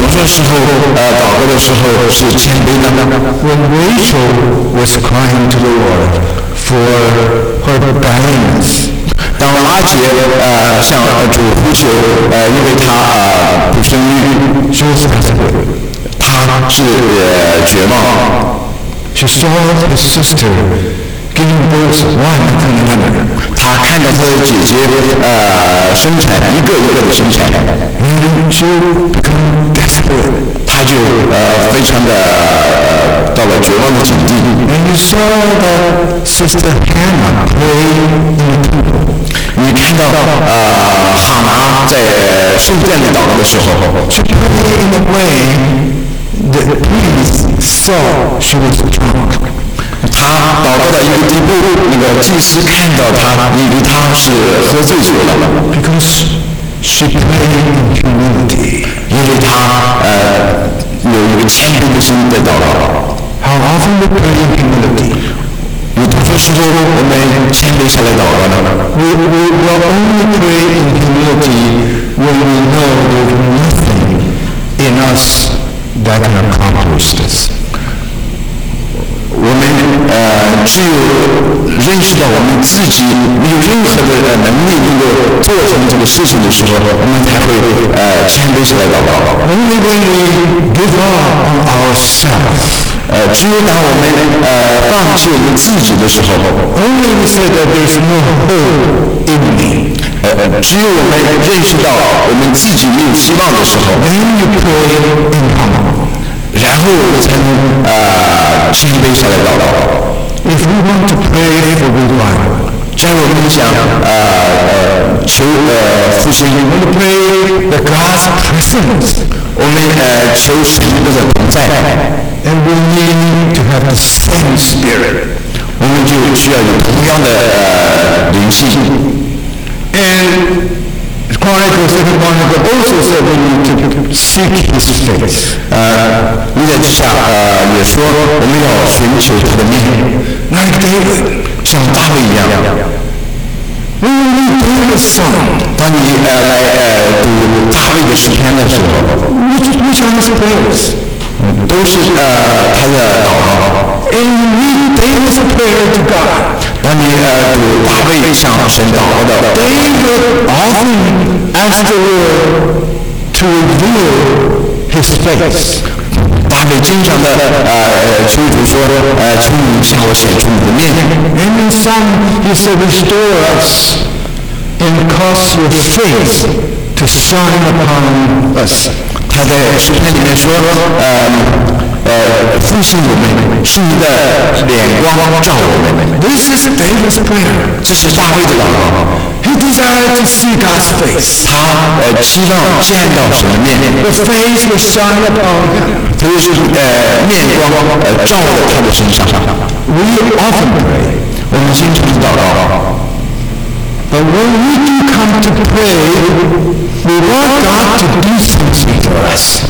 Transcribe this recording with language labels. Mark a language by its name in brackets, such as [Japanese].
[Chinese] 时候祷告的时候是谦卑的。 [English] When Rachel was crying to the Lord for her barrenness， [Chinese] 当拉结向主呼求，因为她不生育 [English] ，she was desperate， [Chinese] 她是绝望。 [English] She saw her sister giving birth one after another， [Chinese] 她看着她的姐姐生产一个一个的生产。 [English] And she became desperate. [Chinese] 他就非常的到了绝望的境地。 [English] And you saw the sister Hannah praying in the temple. [Chinese] 你看到哈拿在圣殿里祷告的时候。 [English] She prayed in the way that the priest saw she was drunk. [Chinese] 他祷告到一个地步，那个祭司看到他，以为他是喝醉酒了。 [English] Because She prayed in humility. [Chinese] 因为她有一个谦卑的心在祷告。 [English] How often we pray in humility? [Chinese] 有多少时候我们谦卑下来祷告呢 [English] ？We will only pray in humility when we know there's nothing in us that can accomplish this. [Chinese] 我们只有认识到我们自己没有任何的能力能够做成这个事情的时候，我们才会谦卑下来祷告。 [English] Only when we give up on ourselves， [Chinese] 只有当我们放弃我们自己的时候 [English] ，Only we say that there's no hope in me， [Chinese] 只有我们认识到我们自己没有希望的时候 [English] ，Then you pray in humble， [Chinese] 然后我才能谦卑下来祷告。 [English] If we want to pray for revival， [Chinese] 假如我们想求复兴，我们 [English] pray the God's presence， [Chinese] 我们求神的同在 [English] ，and we need to have the same spirit， [Chinese] 我们就需要有同样的灵性。 [English] And Chronicles 7 1 but also said we need to seek His face。 [Chinese] 你在之下也说我们要寻求他的面。 [English] Like David， [Chinese] 像大卫一样。 [English] When we read the Psalm， [Chinese] 当你来读大卫的诗篇的时候 [English] ，which are his prayers， [Chinese] 都是他的祷告。 [English] And we read David's prayer to God， [Chinese] 当你读大卫向神祷告的 [English] ，David often asked the Lord to reveal His face。 [Chinese] 大卫经常的求主说求你向我显出你的面。 [English] And in Psalm he said, restore us and cause your face to shine upon us。 [Chinese] 他在诗篇里面说复兴我们，使你的脸光照我们。 [English] This is David's prayer。 [Chinese] 这是大卫的祷告。 [English] He desired to see God's face。 [Chinese] 他希望见到什么面 [English] ？The face will shine upon him。 [Chinese] 他就是面光照在他的身上。 [English] We often pray。 [Chinese] 我们经常祷告。 [English] But when we do come to pray, we want God to do something for us.